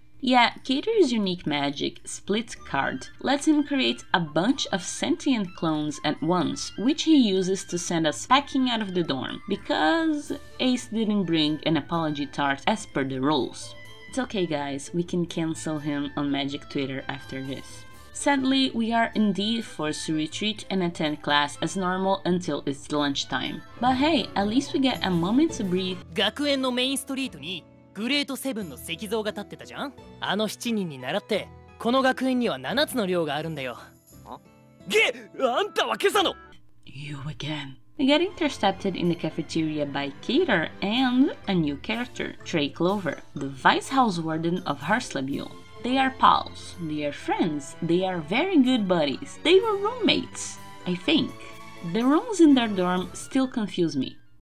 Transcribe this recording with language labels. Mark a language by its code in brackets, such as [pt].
[en] Yeah, Keter's unique magic, Split Card, lets him create a bunch of sentient clones at once, which he uses to send us packing out of the dorm, because Ace didn't bring an apology tart as per the rules. It's okay, guys. We can cancel him on Magic Twitter after this. Sadly, we are indeed forced to retreat and attend class as normal until it's lunchtime. But hey, at least we get a moment to breathe. [ja] 学園のメインストリートにグレート7の石像が立ってたじゃん?あの7人に習って、この学園には7つの寮があるんだよ。げ!あんたは今朝の! [en] You again. We get intercepted in the cafeteria by Kater and a new character, Trey Clover, the Vice House Warden of Harslabule. They are pals, they are friends, they are very good buddies. They were roommates, I think. The rooms in their dorm still confuse me.